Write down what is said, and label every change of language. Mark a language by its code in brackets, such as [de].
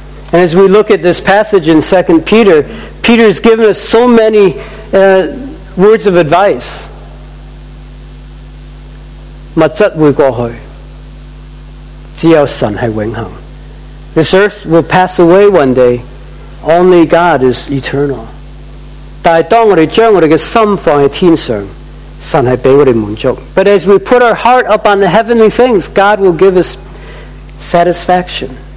[en] And as we look at this passage in 2 Peter, Peter has given us so many words of advice. [zh] 物质会过去，只有神是永恒。 [en] This earth will pass away one day, only God is eternal. [zh] 但当我们将我们的心放在天上， [en] But as we put our heart up on the heavenly things, God will give us satisfaction.